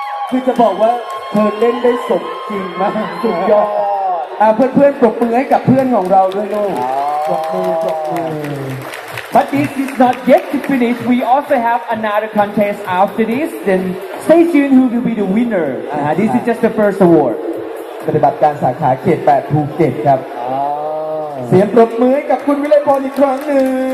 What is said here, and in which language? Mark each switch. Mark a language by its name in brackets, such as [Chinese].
[Thai] คือจะบอกว่าเธอเล่นได้สมจริงมากสุดยอดเพื่อนๆปรบมือให้กับเพื่อนของเราด้วยลูกปรบมือปรบมือ [English] But this is not yet to finish. We also have another contest after this. Then stay tuned who will be the winner. This is just the first award. [Thai] ปฏิบัติการสาขาเขต8ภูเก็ตครับเสียงปรบมือให้กับคุณวิไลพรอีกครั้งหนึ่ง